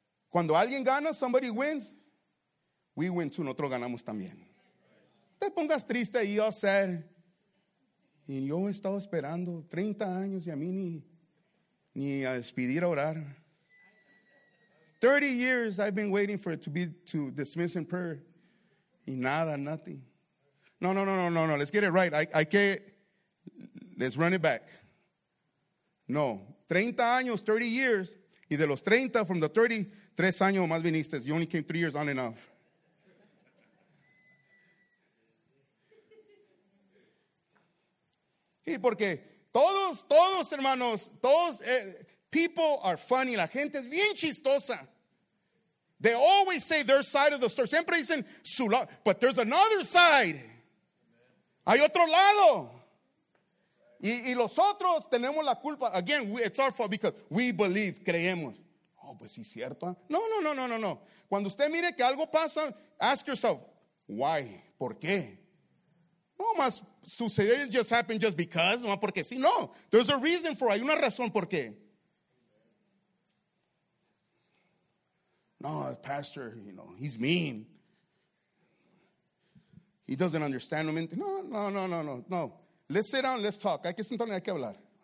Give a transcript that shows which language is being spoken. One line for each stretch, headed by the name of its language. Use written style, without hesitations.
Spanish: Cuando alguien gana,
English: somebody wins, we win too,
Spanish: nosotros ganamos también. Te pongas triste y yo ser. Y yo he estado esperando 30 años y a mí ni a despedir a orar.
English: 30 years I've been waiting for it to dismiss in prayer.
Spanish: Y nada,
English: nothing. No. Let's get it right. Let's run it back. No.
Spanish: 30 años, 30 years. Y de los 30, from the 30, 3 años más viniste.
English: You only came 3 years on and off.
Spanish: Y porque todos, hermanos, todos,
English: people are funny.
Spanish: La gente es bien chistosa.
English: They always say their side of the story.
Spanish: Siempre dicen su lado.
English: But there's another side.
Spanish: Hay otro lado. Y los otros tenemos la culpa.
English: Again, it's our fault because we believe, creemos.
Spanish: Oh, pues sí, cierto. No. Cuando usted mire que algo pasa,
English: ask yourself, why?
Spanish: ¿Por qué? No más sucedió,
English: it just happened just because.
Spanish: No, porque sí.
English: No, there's a reason for it.
Spanish: Hay una razón por qué.
English: No, pastor, you know, he's mean. He doesn't understand. No. Let's sit down, let's talk.
Spanish: Hay que sentarnos, hay que hablar.